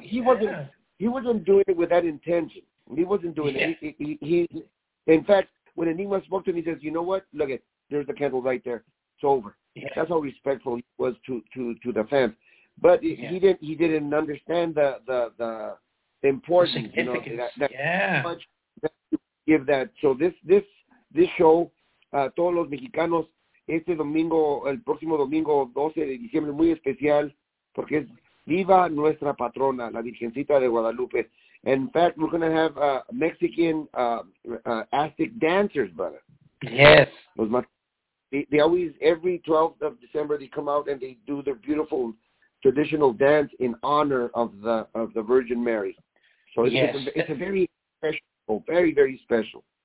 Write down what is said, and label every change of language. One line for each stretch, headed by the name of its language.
English: He wasn't doing it with that intention. He wasn't doing it. In fact, when Enigma spoke to him, he says, you know what? Look, there's the candle right there. It's over. Yeah. That's how respectful he was to the fans, but he didn't understand the importance, the significance. You know, that much that you give that. So this show,
Spanish: Todos los Mexicanos, este domingo, el próximo domingo 12 de diciembre, muy especial porque es Viva Nuestra Patrona, la Virgencita de Guadalupe.
English: In fact, we're gonna have Mexican Aztec dancers, brother. Yes. They always, every 12th of December, they come out and they do their beautiful traditional dance in honor of the Virgin Mary. So it's a very special, very, very special.